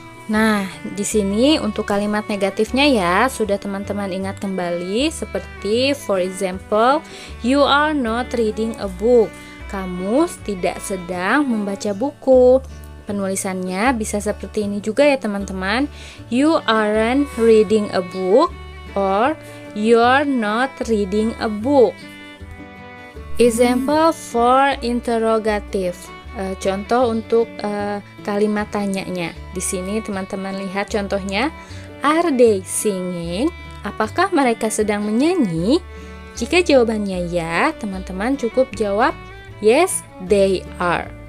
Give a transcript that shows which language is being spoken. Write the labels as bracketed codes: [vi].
[id] Nah, di sini untuk kalimat negatifnya ya, sudah teman-teman ingat kembali, seperti [en] for example, you are not reading a book. [id] Kamu tidak sedang membaca buku. Penulisannya bisa seperti ini juga ya teman-teman. [en] You aren't reading a book, or you're not reading a book. Example for interrogative. [id] Contoh untuk kalimat tanyanya. Di sini teman-teman lihat contohnya. [en] Are they singing? [id] Apakah mereka sedang menyanyi? Jika jawabannya ya, teman-teman cukup jawab [en] yes, they are.